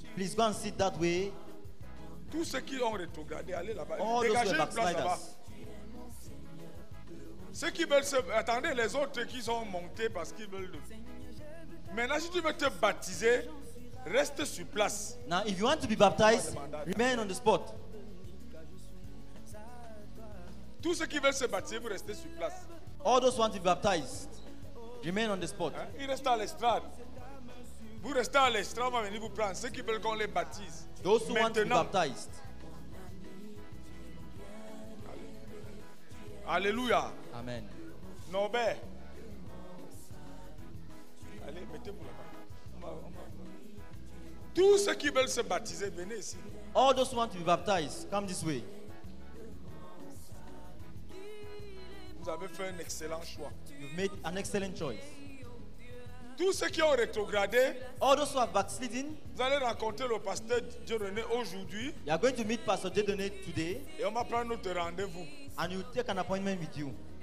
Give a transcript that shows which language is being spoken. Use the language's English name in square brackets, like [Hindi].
[English] Please go and sit that way. [French] Tous ceux qui ont rétrogradé, allez là-bas. [English] All dégagez those who are backsliders. [French] Là-bas. Ceux qui veulent se... Attendez, les autres qui sont montés parce qu'ils veulent... De... Maintenant, si tu veux te baptiser, reste sur place. [English] Now, if you want to be baptized, remain on the spot. [French] Tous ceux qui veulent se baptiser, vous restez sur place. [English] All those who want to be baptized, remain on the spot. [French] Hein? Ils restent à l'estrade. Vous restez à l'estrade, on va venir vous prendre. Ceux qui veulent qu'on les baptise. [English] Those who maintenant. Want to be baptized. [French] Alléluia. Amen. Norbert. Allez, mettez-vous là-bas. Tous ceux qui veulent se baptiser, venez ici. [English] All those who want to be baptized, come this way. [French] Vous avez fait un excellent choix. [English] You've made an excellent choice. [French] Tous ceux qui ont rétrogradé, [English] all those who have backslidden, [French] vous allez rencontrer le pasteur Dieu René aujourd'hui. [English] You are going to meet Pastor Dieu René today. [French] Et on va prendre notre rendez-vous. [English] And you take an appointment with you.